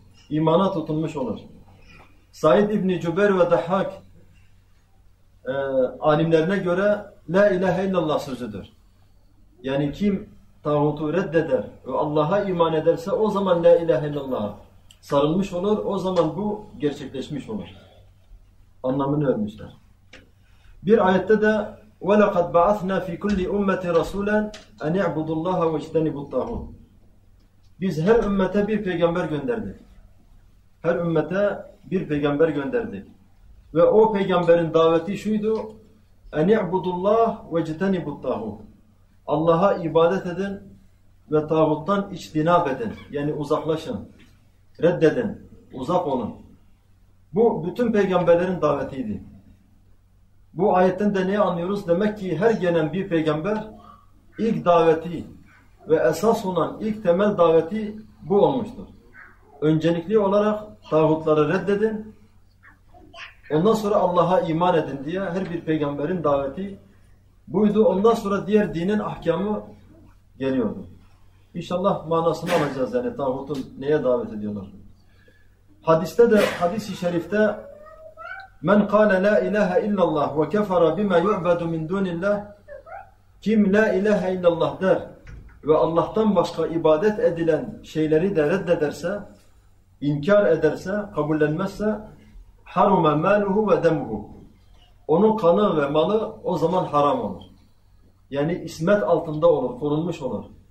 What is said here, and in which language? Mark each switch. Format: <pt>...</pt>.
<tr>İmana tutunmuş olur. Said İbni Cübeyr ve Dahhak alimlerine göre La ilahe illallah sözüdür. Yani kim tağutu reddeder ve Allah'a iman ederse o zaman La ilahe illallah sarılmış olur. O zaman bu gerçekleşmiş olur. Anlamını vermişler. Bir ayette de</tr> <ar>وَلَقَدْ بَعَثْنَا فِي كُلِّ اُمَّةِ رَسُولًا اَنْ اِعْبُدُ اللّٰهَ وَاِجْتَنِبُ الطَّاغُونَ.</ar> <tr>Biz her ümmete bir peygamber gönderdik. Her ümmete bir peygamber gönderdik. Ve o peygamberin daveti şuydu:</tr> <ar>اَنْ اِعْبُدُ اللّٰهَ وَاِجْتَنِبُ الطَّاغُونَ.</ar> <tr>Allah'a ibadet edin ve tağuttan içtinab edin. Yani uzaklaşın, reddedin, uzak olun. Bu bütün peygamberlerin davetiydi. Bu ayetten de neyi anlıyoruz? Demek ki her gelen bir peygamber ilk daveti ve esas olan ilk temel daveti bu olmuştur. Öncelikli olarak tağutları reddedin, ondan sonra Allah'a iman edin diye her bir peygamberin daveti buydu. Ondan sonra diğer dinin ahkamı geliyordu. İnşallah manasını alacağız yani tağutun neye davet ediyorlar. Hadiste de, hadis-i şerifte</tr> <ar>مَنْ قَالَ لَا اِلَٰهَ اِلَّا اللّٰهُ وَكَفَرَ بِمَا يُعْبَدُ مِنْ دُونِ اللّٰهِ.</ar> <tr>Kim La İlahe İllallah der ve Allah'tan başka ibadet edilen şeyleri de reddederse, inkar ederse, kabullenmezse</tr> <ar>حَرُمَ مَالُهُ وَدَمُهُ.</ar> <tr>Onun kanı ve malı o zaman haram olur. Yani ismet altında olur, korunmuş olur.</tr>